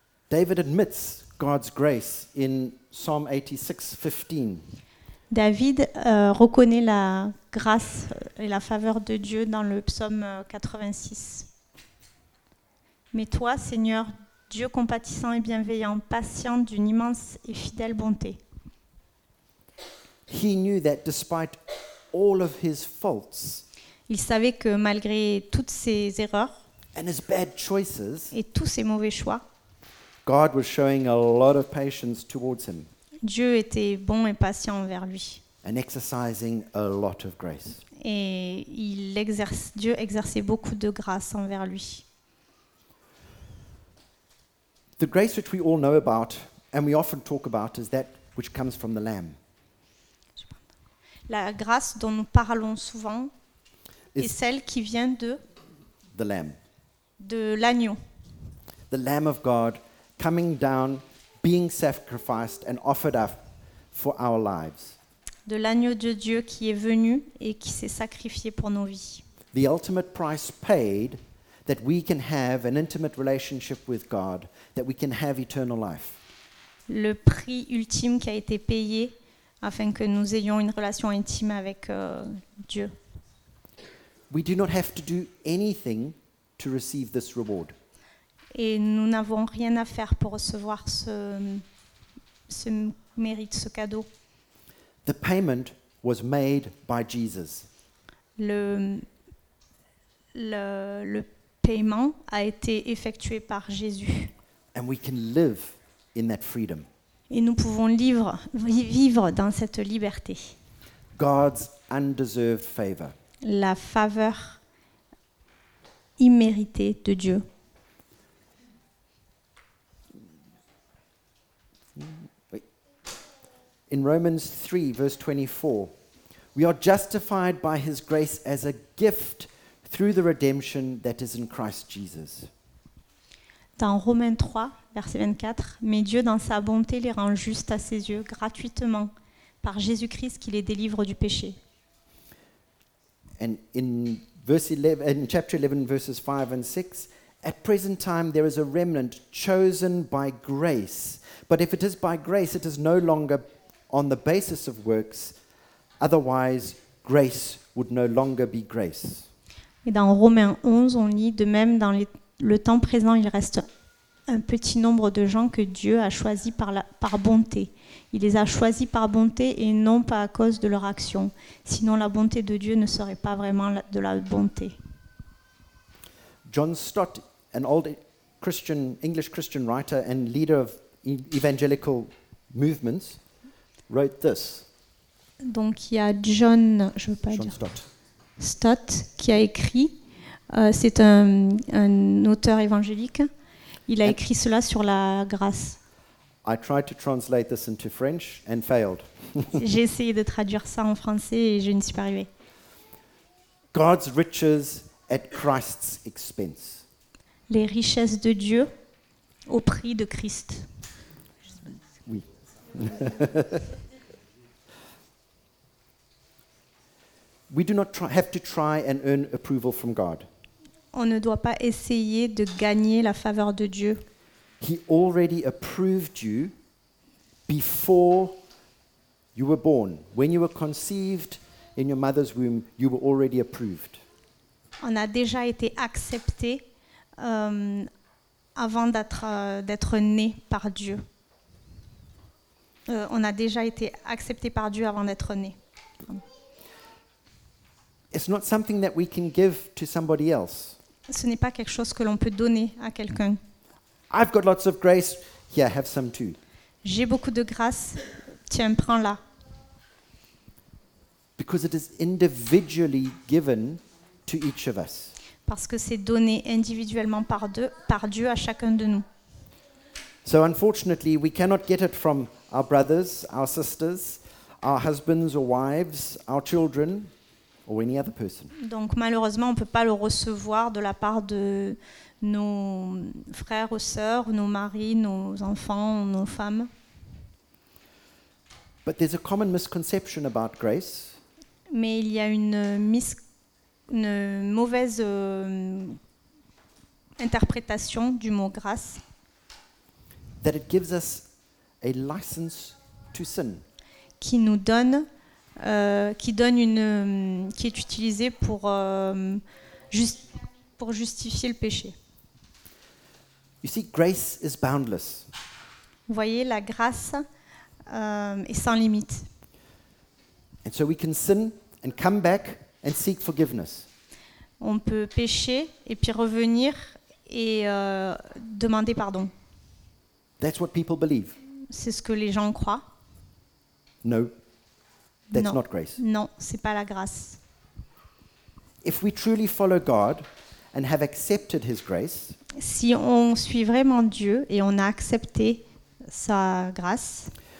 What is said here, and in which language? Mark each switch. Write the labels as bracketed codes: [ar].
[en] David admits God's grace in Psalm 86:15. [fr] David reconnaît la grâce et la faveur de Dieu dans le psaume 86. Mais toi, Seigneur, Dieu compatissant et bienveillant, patient d'une immense et fidèle bonté. [en] He knew that despite all of his faults, [fr] il savait que malgré toutes ses erreurs [en] and his bad choices, [fr] et tous ses mauvais choix, [en] God was showing a lot of patience towards him. [fr] Dieu était bon et patient envers lui. [en] And exercising a lot of grace. [fr] Et Dieu exerçait beaucoup de grâce envers lui. [en] The grace which we all know about and we often talk about is that which comes from the Lamb. [fr] La grâce dont nous parlons souvent est celle qui vient de [en] the Lamb. [fr] De l'agneau. [en] The Lamb of God coming down, being sacrificed and offered up for our lives. [fr] De l'agneau de Dieu qui est venu et qui s'est sacrifié pour nos vies. [en] The ultimate price paid that we can have an intimate relationship with God, that we can have eternal life. [fr] Le prix ultime qui a été payé afin que nous ayons une relation intime avec Dieu. [en] We do not have to do anything to receive this reward. [fr] Et nous n'avons rien à faire pour recevoir ce mérite, ce cadeau. [en] The payment was made by Jesus. [fr] Le paiement a été effectué par Jésus. [en] And we can live in that freedom. [fr] Et nous pouvons vivre dans cette liberté. [en] God's undeserved favor. [fr] La faveur imméritée de Dieu. [en] In Romans 3, verse 24, we are justified by his grace as a gift through the redemption that is in Christ Jesus. [fr] Dans Romains 3, verset 24, mais Dieu, dans sa bonté, les rend justes à ses yeux gratuitement par Jésus-Christ qui les délivre du péché. [en] And in verse 11, in chapter 11, verses 5 and 6, at present time there is a remnant chosen by grace. But if it is by grace, it is no longer on the basis of works, otherwise grace would no longer be grace. [fr] Et dans Romains 11, on lit de même dans le temps présent, il reste un petit nombre de gens que Dieu a choisis par bonté. Il les a choisis par bonté et non pas à cause de leur action. Sinon, la bonté de Dieu ne serait pas vraiment de la bonté. [en] John Stott, an old Christian, English Christian writer and leader of evangelical movements, wrote this. [fr] Donc il y a John Stott qui a écrit. C'est un auteur évangélique. Il a écrit cela sur la grâce. [en] I tried to translate this into French and failed. [fr] J'ai essayé de traduire ça en français et je n'y suis pas arrivée. [en] God's riches at Christ's expense. [fr] Les richesses de Dieu au prix de Christ. Oui. [en] We do not have to try and earn approval from God. [fr] On ne doit pas essayer de gagner la faveur de Dieu. [en] He already approved you before you were born. When you were conceived in your mother's womb, you were already approved. [fr] On a déjà été accepté avant d'être né par Dieu. On a déjà été accepté par Dieu avant d'être né. [en] It's not something that we can give to somebody else. [fr] Ce n'est pas quelque chose que l'on peut donner à quelqu'un. [en] I've got lots of grace. Yeah, have some too. [fr] J'ai beaucoup de grâce. Tiens, prends-la. [en] Because it is individually given to each of us. [fr] Parce que c'est donné individuellement par Dieu à chacun de nous. [en] So unfortunately, we cannot get it from our brothers, our sisters, our husbands or wives, our children. Or any other person. [fr] Donc malheureusement, on ne peut pas le recevoir de la part de nos frères ou sœurs, nos maris, nos enfants, nos femmes. [en] But there's a common misconception about grace. [fr] Mais il y a une mauvaise interprétation du mot grâce. [en] That it gives us a license to sin. [fr] Qui nous donne qui est utilisé pour justifier le péché. [en] You see, grace is boundless. [fr] Vous voyez, la grâce est sans limite. [en] And so we can sin and come back and seek forgiveness. [fr] On peut pécher et puis revenir et demander pardon. [en] That's what people believe. [fr] C'est ce que les gens croient. [en] No. That's not grace. [fr] Non, c'est pas la grâce. [en] If we truly follow God and have accepted his grace, [fr] si on suit vraiment Dieu et on a accepté sa grâce,